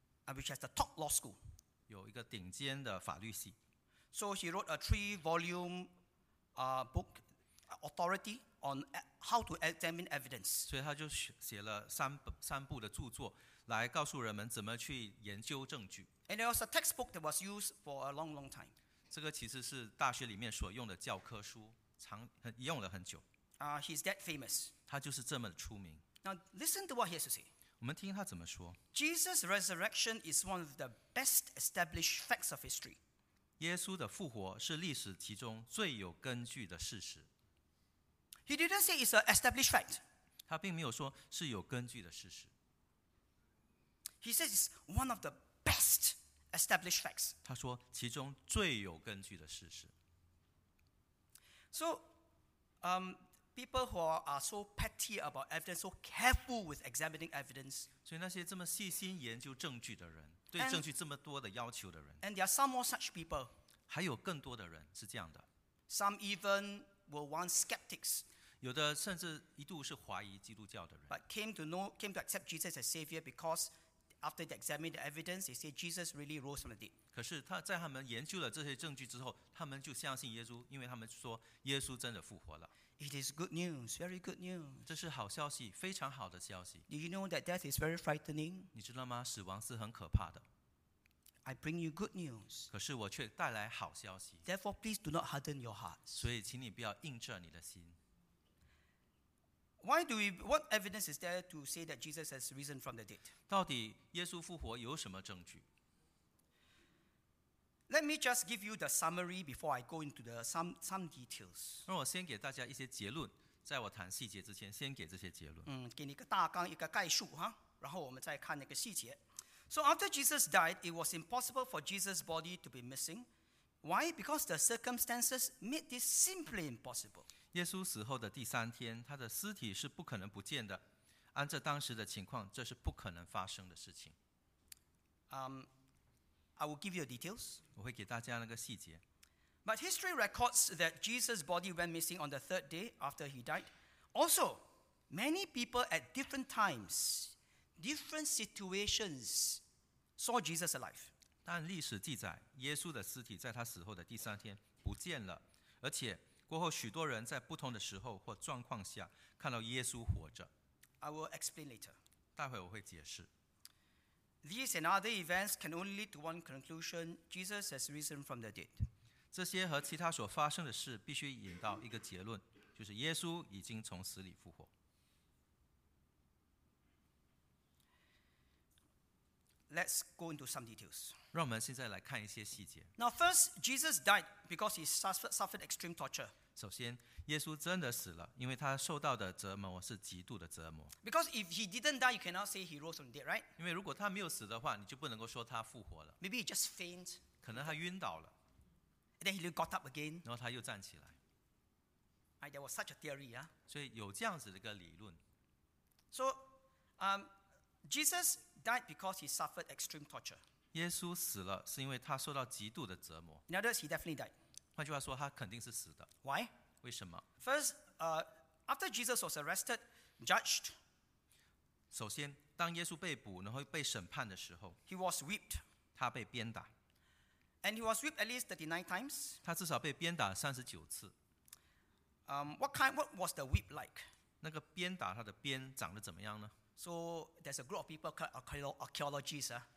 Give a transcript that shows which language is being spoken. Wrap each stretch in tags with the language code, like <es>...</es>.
<en>Which has the top law school.</en> <zh>有一个顶尖的法律系。</zh> <en>So he wrote a three-volume book, Authority, on how to examine evidence.</en> <zh>所以他就写了三部的著作，来告诉人们怎么去研究证据。</zh> <en>And it was a textbook that was used for a long, long time.</en> <zh>这个其实是大学里面所用的教科书，用了很久。</zh> <en>He's that famous.</en> <zh>他就是这么出名。</zh> <en>Now listen to what he has to say.</en> <zh>我们听他怎么说。</zh> <en>Jesus' resurrection is one of the best established facts of history.</en> <zh>耶稣的复活是历史其中最有根据的事实。</zh> <en>He didn't say it's an established fact.</en> <zh>他并没有说是有根据的事实。</zh> <en>He says it's one of the best. Established facts.</en> <zh>他说其中最有根据的事实。</zh> <en>So, people who are so petty about evidence, so careful with examining evidence.</en> <zh>所以那些这么细心研究证据的人，对证据这么多的要求的人。</zh> <en>And there are some more such people.</en> <zh>还有更多的人是这样的。</zh> <en>Some even were once skeptics.</en> <zh>有的甚至一度是怀疑基督教的人。</zh> <en>But came to accept Jesus as Savior because. After they examined the evidence, they say Jesus really rose from the dead.</en> <zh>可是他在他们研究了这些证据之后，他们就相信耶稣，因为他们说耶稣真的复活了。</zh> <en>It is good news, very good news.</en> <zh>这是好消息，非常好的消息。</zh> <en>Do you know that death is very frightening?</en> <zh>你知道吗？死亡是很可怕的。</zh> <en>I bring you good news.</en> <zh>可是我却带来好消息。</zh> <en>Therefore, please do not harden your hearts.</en> <zh>所以，请你不要硬着你的心。</zh> <en>Why do we? What evidence is there to say that Jesus has risen from the dead?</en> <zh>到底耶稣复活有什么证据？</zh> <en>Let me just give you the summary before I go into the some details.</en> <zh>让我先给大家一些结论，在我谈细节之前，先给这些结论。给你一个大纲，一个概述哈，然后我们再看那个细节。</zh> <en>So after Jesus died, it was impossible for Jesus' body to be missing. Why? Because the circumstances made this simply impossible.</en> <zh>耶稣死后的第三天，他的尸体是不可能不见的。按照当时的情况，这是不可能发生的事情。</zh> <en>I will give you the details.</en> <zh>我会给大家那个细节。</zh> <en>But history records that Jesus' body went missing on the third day after he died. Also, many people at different times, different situations, saw Jesus alive.</en> <zh>但历史记载，耶稣的尸体在他死后的第三天不见了，而且过后许多人在不同的时候或状况下看到耶稣活着。</zh> <en>I will explain later.</en> <zh>待会我会解释。</zh> <en>These and other events can only lead to one conclusion: Jesus has risen from the dead.</en> <zh>这些和其他所发生的事必须引到一个结论，就是耶稣已经从死里复活。</zh> <en>Let's go into some details.</en> <zh>让我们现在来看一些细节。</zh> <en>Now, first, Jesus died because he suffered extreme torture.</en> <zh>首先，耶稣真的死了，因为他受到的折磨是极度的折磨。</zh> <en>Because if he didn't die, you cannot say he rose from the dead, right?</en> <zh>因为如果他没有死的话，你就不能够说他复活了。</zh> <en>Maybe he just fainted.</en> <zh>可能他晕倒了。</zh> <en>Then he got up again.</en> <zh>然后他又站起来。</zh> <en>Right, there was such a theory, yeah.</en> <zh>所以有这样子的一个理论。</zh> <en>So, Jesus died because he suffered extreme torture.</en> <zh>耶稣死了是因为他受到极度的折磨。</zh> <en>In other words, he definitely died.</en> <zh>换句话说，他肯定是死的。</zh> <en>Why?</en> <zh>为什么？</zh> <en>First, after Jesus was arrested, judged.</en> <zh>首先，当耶稣被捕然后被审判的时候，</zh> <en>he was whipped.</en> <zh>他被鞭打。</zh> <en>And he was whipped at least 39 times.</en> <zh>他至少被鞭打39次。</zh> <en>What was the whip like?</en> <zh>那个鞭打他的鞭长得怎么样呢？</zh> <en>So there's a group of people called archaeologists.</en>